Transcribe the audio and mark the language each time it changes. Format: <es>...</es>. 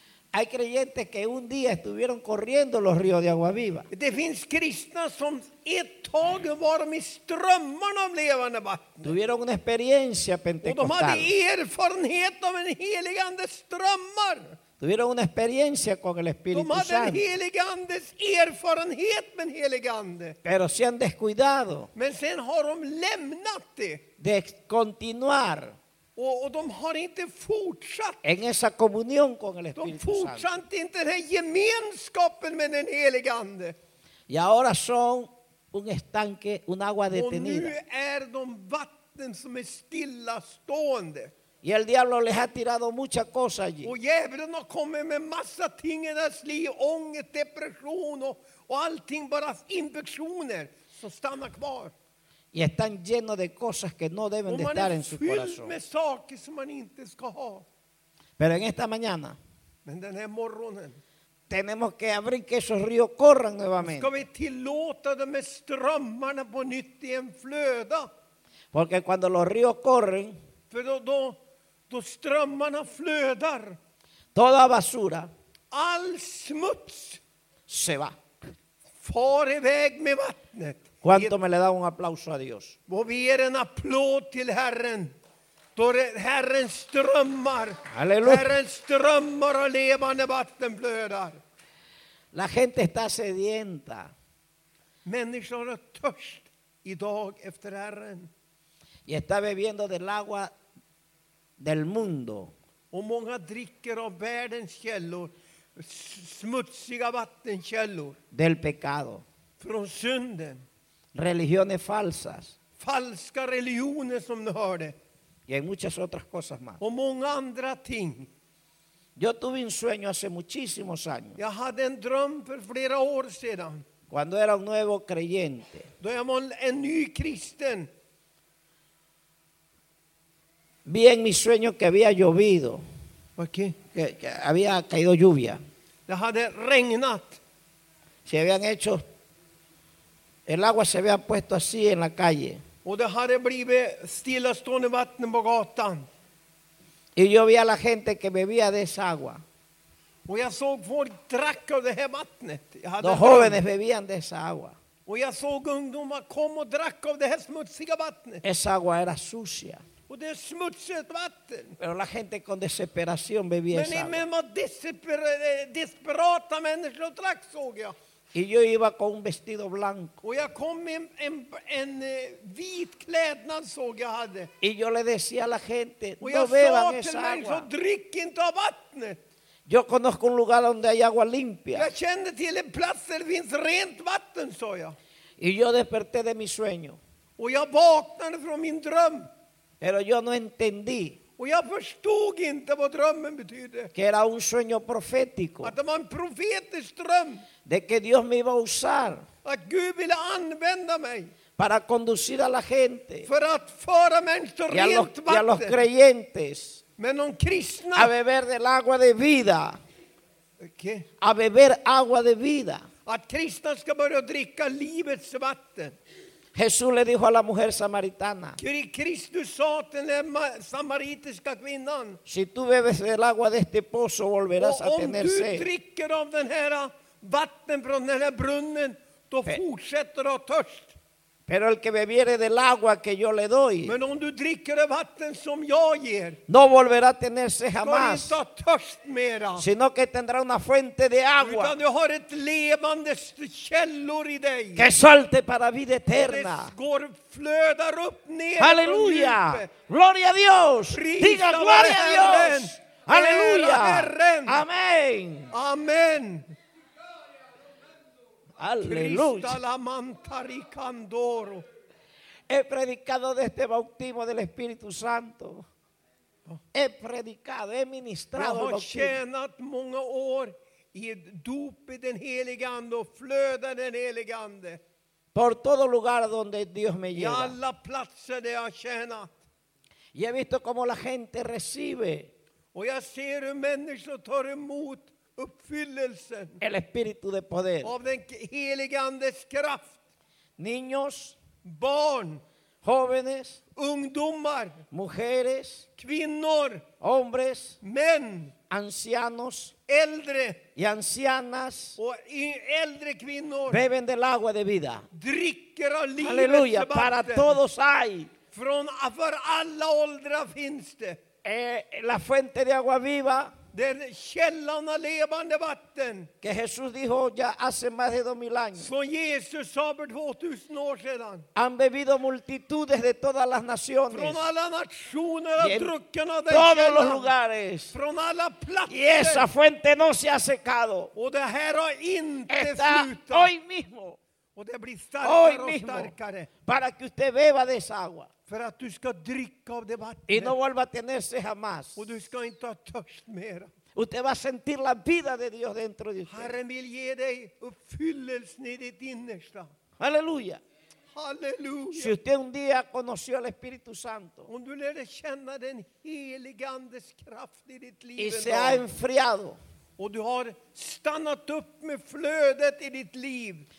<es>Hay creyentes que un día estuvieron corriendo los ríos de agua viva.</es> <sv>Det finns kristna som ett tag var de i strömmarna av levande vatten.</sv> <es>Tuvieron una experiencia pentecostal.</es> <sv>Och de hade erfarenhet av en helig ande strömmar.</sv> <es>Tuvieron una experiencia con el Espíritu Santo.</es> <sv>De hade en helig andes erfarenhet med en helig ande.</sv> <es>Pero se han descuidado.</es> <sv>Men sen har de lämnat det.</sv> <es>De continuar.</es> <sv>Och de har inte fortsatt.</sv> <es>En esa comunión con el Espíritu Santo.</es> <sv>De fortsatt inte den här gemenskapen med en helig ande.</sv> <es>Y ahora son un estanque, un agua detenida.</es> <sv>Och nu är de vatten som är stillastående.</sv> <es>Y el diablo les ha tirado mucha cosa allí.</es> <sv>Och djävulen har kommit med massa ting i deras liv. Ångest, depression och allting, bara infektioner som stannar kvar.</sv> <es>Y están llenos de cosas que no deben de estar en su corazón.</es> <sv>Och man är fylld med saker som man inte ska ha.</sv> <es>Pero en esta mañana.</es> <sv>Men den här morgonen.</sv> <es>Tenemos que abrir que esos ríos corran nuevamente.</es> <sv>Ska vi tillåta dem med strömmarna på nytt i en flöda.</sv> <es>Porque cuando los ríos corren.</es> <sv>För då strömmarna flödar.</sv> <es>Toda basura.</es> <sv>All smuts.</sv> <es>Se va.</es> <sv>Far iväg med vattnet.</sv> <es>¿Cuánto me le da un aplauso a Dios?</es> <sv>Vi ger en applåd till Herren. Då Herren strömmar. Halleluja. Herren strömmar och levande vatten blöder.</sv> <es>La gente está sedienta.</es> <sv>Människor är törst idag efter Herren.</sv> <es>Y está bebiendo del agua del mundo.</es> <sv>Och många dricker av världens källor, smutsiga vattenkällor.</sv> <es>Del pecado.</es> <sv>Från synden.</sv> <es>Religiones falsas.</es> <sv>Falska religioner som ni hörde.</sv> <es>Y hay muchas otras cosas más.</es> <sv>Och många andra ting.</sv> <es>Yo tuve un sueño hace muchísimos años.</es> <sv>Jag hade en dröm för flera år sedan.</sv> <es>Cuando era un nuevo creyente.</es> <sv>Då jag var en ny kristen.</sv> <es>Vi en mi sueño que había llovido. ¿Por qué? Que había caído lluvia.</es> <sv>Det hade regnat.</sv> <es>Se habían hecho. El agua se había puesto así en la calle.</es> <sv>Och det hade blivit stillastående vatten på gatan.</sv> <es>Y yo vi a la gente que bebía de esa agua.</es> <sv>Och jag såg folk drack av det här vattnet.</sv> <es>De jóvenes bebían de esa agua.</es> <sv>Och jag såg ungdomar kom och drack av det här smutsiga vattnet.</sv> <es>Esa agua era sucia.</es> <sv>Och det är smutsigt vatten.</sv> <es>Pero la gente con desesperación bebía esa agua.</es> <sv>Men med desperata människor drack, såg jag.</sv> <es>Y yo iba con un vestido blanco.</es> <sv>Och jag kom med en vit klädnad, såg jag hade.</sv> <es>Y yo le decía a la gente,</es> <sv>och</sv> <es>no beban esa agua. Och</es> <sv>jag sa till människor, drick inte av vattnet.</sv> <es>Yo conozco un lugar donde hay agua limpia.</es> <sv>Jag kände till en plats där det finns rent vatten, sa jag.</sv> <es>Y yo desperté de mi sueño.</es> <sv>Och jag vaknade från min dröm.</sv> <es>Pero yo no entendí.</es> <sv>Och jag förstod inte vad drömmen betydde.</sv> <es>Que era un sueño profético.</es> <sv>Att det var en profetisk dröm.</sv> <es>De que Dios me iba a usar.</es> <sv>Att Gud ville använda mig.</sv> <es>Para conducir a la gente.</es> <sv>För att föra människor rent vatten.</sv> <es>Y a los creyentes.</es> <sv>Men om kristna.</sv> <es>A beber del agua de vida. ¿Qué? A beber agua de vida.</es> <sv>Att kristna ska börja dricka livets vatten.</sv> <es>Jesús le dijo a la mujer samaritana.</es> <sv>Kristus sa till den samaritiska kvinnan.</sv> <es>Si tú bebes del agua de este pozo volverás a tener sed.</es> <sv>Om du dricker av den här vatten från den här brunnen, då fortsätter du att törst.</sv> <es>Pero el que bebiere del agua que yo le doy.</es> <sv>Men om du dricker av vatten som jag ger.</sv> <es>No volverá a tener sed jamás.</es> <sv>Ska du inte ha törst mera.</sv> <es>Sino que tendrá una fuente de agua.</es> <sv>Utan du har ett levande källor i dig.</sv> <es>Que salte para vida eterna.</es> <sv>Går flödar upp ner.</sv> <es>Aleluya. Gloria a Dios. Diga gloria a Dios. Aleluya. Amén. Amén. Aleluya. He predicado de este bautismo del Espíritu Santo. He predicado, he ministrado.</es> <sv>Jag har tjänat många år i dop i den helige ande och flöda den helige ande.</sv> <es>Por todo lugar donde Dios me lleva.</es> <sv>Y alla platser där jag tjänat.</sv> <es>Y he visto cómo la gente recibe.</es> <sv>Och jag ser hur människor tar emot. Uppfyllelsen.</sv> <es>El espíritu de poder.</es> <sv>Av den helige andes kraft.</sv> <es>Niños.</es> <sv>Barn.</sv> <es>Jóvenes.</es> <sv>Ungdomar.</sv> <es>Mujeres.</es> <sv>Kvinnor.</sv> <es>Hombres.</es> <sv>Män.</sv> <es>Ancianos.</es> <sv>Äldre.</sv> <es>Y ancianas.</es> <sv>Och äldre kvinnor.</sv> <es>Beben del agua de vida.</es> <sv>Dricker av livets</sv> <es>vatten. Aleluya. Para todos hay.</es> <sv>Från, för alla åldrar finns det.</sv> <es>La fuente de agua viva.</es> <sv>Den källan av levande vatten.</sv> <es>Que Jesús dijo ya hace más de 2000 años.</es> <sv>Som Jesus sa för 2000 år sedan.</sv> <es>Han bebido multitudes de todas las naciones.</es> <sv>Från alla nationer har drucken av den</sv> <es>todos</es> <sv>källan.</sv> <es>Los lugares.</es> <sv>Från alla platser.</sv> <es>Y esa fuente no se ha secado.</es> <sv>Och det här har inte</sv> <es>está</es> <sv>slutat.</sv> <es>Hoy mismo.</es> <sv>Och det blir starkare och starkare.</sv> <es>Para que usted beba de esa agua.</es> <sv>För att du ska dricka av det vattnet.</sv> <es>Y no vuelva a tener sed jamás.</es> <sv>Och du ska inte ha törst mer.</sv> <es>Usted va a sentir la vida de Dios dentro de usted.</es> <sv>Herren vill ge dig uppfyllelsen i ditt innersta. Halleluja. Halleluja.</sv> <es>Si usted un día conoció al Espíritu Santo.</es> <sv>Om du lärde känna den helige andes kraft i ditt liv.</sv> <es>Y se ha enfriado.</es> <sv>Och du har stannat upp med flödet i ditt liv.</sv>